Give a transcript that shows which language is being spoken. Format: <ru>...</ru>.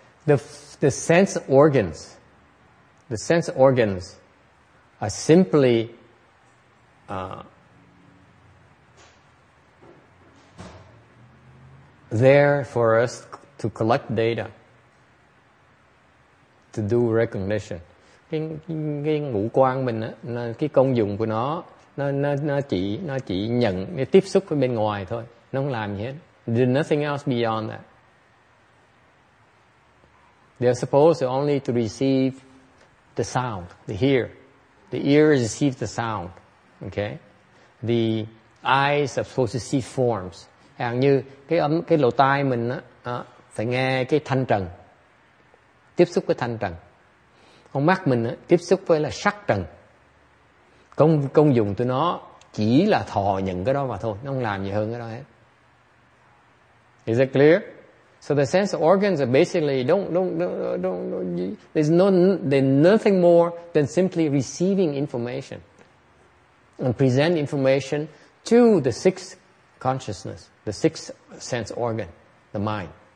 <en>The sense organs are simply there for us to collect data, to do recognition.</en> <vi>Cái ngũ quan mình á, cái công dụng của nó chỉ nhận, nó tiếp xúc với bên ngoài thôi. Nó không làm gì hết.</vi> <en>There's nothing else beyond that. They're supposed only to receive the sound, the hear. The ear receives the sound. Okay? The eyes are supposed to see forms.</en> <vi>Hàng như cái lỗ tai mình á, phải nghe cái thanh trần. Tiếp xúc với thanh trần. Con mắt mình á, tiếp xúc với là sắc trần. Công dụng của nó chỉ là thọ nhận cái đó mà thôi, nó không làm gì hơn cái đó hết.</vi> <en>Is that clear? So the sense organs are basically nothing more than simply receiving information and present information to the sixth consciousness, the sixth sense organ, the mind.</en>